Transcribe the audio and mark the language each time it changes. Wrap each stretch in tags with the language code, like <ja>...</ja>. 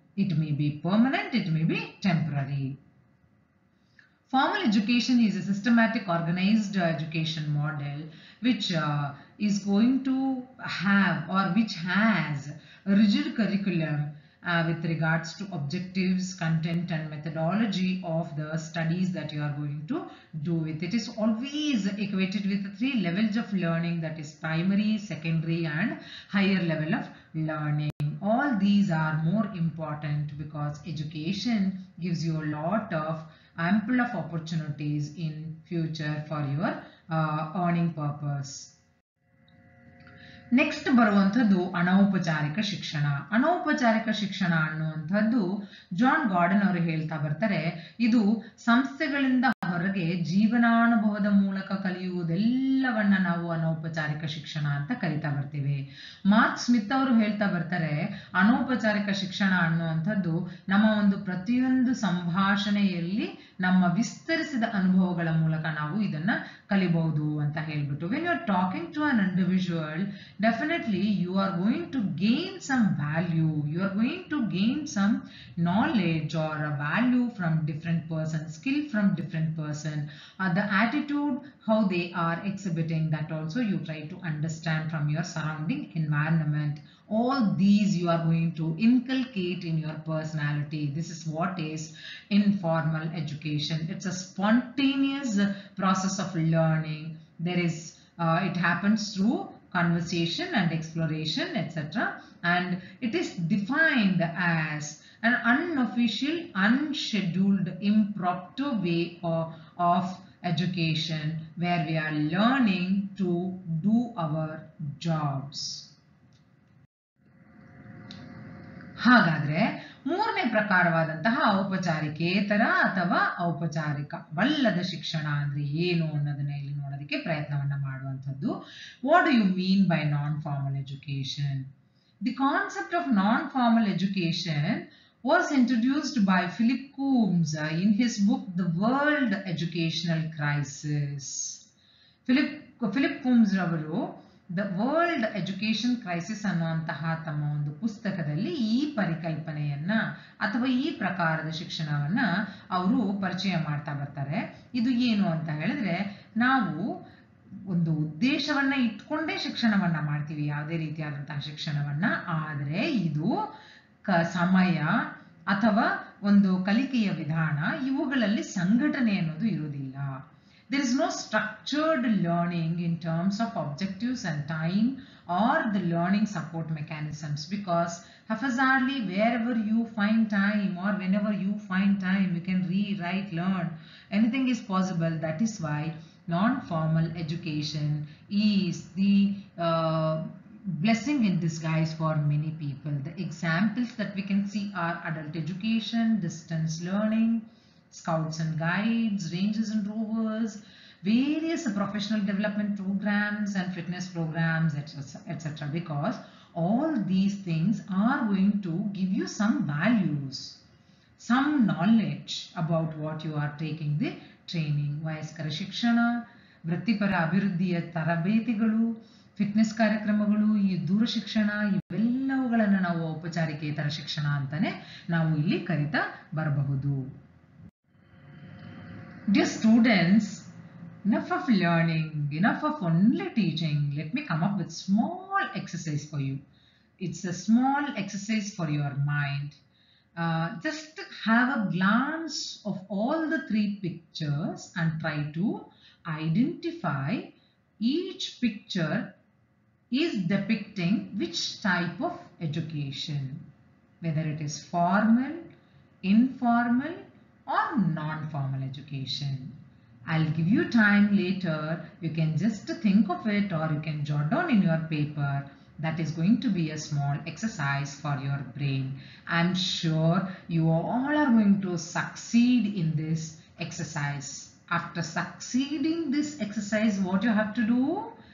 <en>It may be permanent, it may be temporary. Formal education is a systematic organised education model which is going to have or which has rigid curriculum with regards to objectives, content and methodology of the studies that you are going to do with. It is always equated with the three levels of learning, that is primary, secondary and higher level of learning. All these are more important because education gives you a lot of ample of opportunities in future for your earning purpose.</en> <kn>Next ಬರುವಂಥದ್ದು ಅನೌಪಚಾರಿಕ ಶಿಕ್ಷಣ. ಅನೌಪಚಾರಿಕ ಶಿಕ್ಷಣ ಅನ್ನುವಂಥದ್ದು John garden ಅವರು ಹೇಳ್ತಾ ಬರ್ತಾರೆ, ಇದು ಸಂಸ್ಥೆಗಳಿಂದ ಹೊರಗೆ ಜೀವನಾನುಭವದ ಮೂಲಕ ಕಲಿಯುವುದೆಲ್ಲವನ್ನ ನಾವು ಅನೌಪಚಾರಿಕ ಶಿಕ್ಷಣ ಅಂತ ಕರಿತಾ ಬರ್ತೇವೆ. ಮಾರ್ಕ್ ಸ್ಮಿತ್ ಅವರು ಹೇಳ್ತಾ ಬರ್ತಾರೆ, ಅನೌಪಚಾರಿಕ ಶಿಕ್ಷಣ ಅನ್ನುವಂಥದ್ದು ನಮ್ಮ ಒಂದು ಪ್ರತಿಯೊಂದು ಸಂಭಾಷಣೆಯಲ್ಲಿ ನಮ್ಮ ವಿಸ್ತರಿಸಿದ ಅನುಭವಗಳ ಮೂಲಕ ನಾವು ಇದನ್ನ ಕಲಿಬಹುದು ಅಂತ ಹೇಳ್ಬಿಟ್ಟು.</kn> <en>When you are talking to an individual definitely you are going to gain some value, you are going to gain some knowledge or a value from different person, skill from different person, the attitude how they are exhibiting that also you try to understand from your surrounding environment. All these you are going to inculcate in your personality. This is what is informal education. It's a spontaneous process of learning. There is it happens through conversation and exploration, etc. And it is defined as an unofficial, unscheduled, impromptu way of education where we are learning to do our jobs.</en> <kn>ಹಾಗಾದ್ರೆ ಮೂರನೇ ಪ್ರಕಾರವಾದಂತಹ ಔಪಚಾರಿಕೇತರ ಅಥವಾ ಔಪಚಾರಿಕ ವಲ್ಲದ ಶಿಕ್ಷಣ ಅಂದ್ರೆ ಏನು ಅನ್ನೋದನ್ನ ಇಲ್ಲಿ ನೋಡೋದಕ್ಕೆ ಪ್ರಯತ್ನವನ್ನ ಮಾಡುವಂಥದ್ದು.</kn> <en>What do you mean by non formal education? The concept of non formal education was introduced by Philip Coombs in his book the World Educational Crisis.</en> <kn>Philip ಕೂಮ್ಸ್ ಅವರು ದ ವರ್ಲ್ಡ್ ಎಜುಕೇಷನ್ ಕ್ರೈಸಿಸ್ ಅನ್ನುವಂತಹ ತಮ್ಮ ಒಂದು ಪುಸ್ತಕದಲ್ಲಿ ಈ ಪರಿಕಲ್ಪನೆಯನ್ನ ಅಥವಾ ಈ ಪ್ರಕಾರದ ಶಿಕ್ಷಣವನ್ನ ಅವರು ಪರಿಚಯ ಮಾಡ್ತಾ ಬರ್ತಾರೆ. ಇದು ಏನು ಅಂತ ಹೇಳಿದ್ರೆ, ನಾವು ಒಂದು ಉದ್ದೇಶವನ್ನ ಇಟ್ಕೊಂಡೇ ಶಿಕ್ಷಣವನ್ನ ಮಾಡ್ತೀವಿ, ಯಾವುದೇ ರೀತಿಯಾದಂತಹ ಶಿಕ್ಷಣವನ್ನ, ಆದರೆ ಇದು ಸಮಯ ಅಥವಾ ಒಂದು ಕಲಿಕೆಯ ವಿಧಾನ, ಇವುಗಳಲ್ಲಿ ಸಂಘಟನೆ ಅನ್ನೋದು ಇರುವುದಿಲ್ಲ.</kn> <en>There is no structured learning in terms of objectives and time or the learning support mechanisms, because haphazardly, wherever you find time or whenever you find time, you can rewrite, learn, anything is possible. That is why non-formal education is the blessing in disguise for many people. The examples that we can see are adult education, distance learning, scouts and guides, rangers and rovers, various professional development programs and fitness programs, etc., etc., because all these things are going to give you some values, some knowledge about what you are taking the training.</en> <kn>Vayaskara Shikshana, Vrittipara Abhirudhiya Tarabetigalu, fitness ಕಾರ್ಯಕ್ರಮಗಳು, ಈ ದೂರ ಶಿಕ್ಷಣ, ಇವೆಲ್ಲವುಗಳನ್ನು ನಾವು ಔಪಚಾರಿಕೇತರ ಶಿಕ್ಷಣ ಅಂತಾನೆ ನಾವು ಇಲ್ಲಿ ಕರಿತಾ ಬರಬಹುದು.</kn> <en>Dear students, enough of learning, enough of only teaching. Let me come up with small exercise for you. It's a small exercise for your mind. Just have a glance of all the three pictures and try to identify each picture is depicting which type of education, whether it is formal, informal or non-formal education. I'll give you time later, you can just think of it or you can jot down in your paper. That is going to be a small exercise for your brain. I'm sure you all are going to succeed in this exercise. After succeeding this exercise, what you have to do?</en>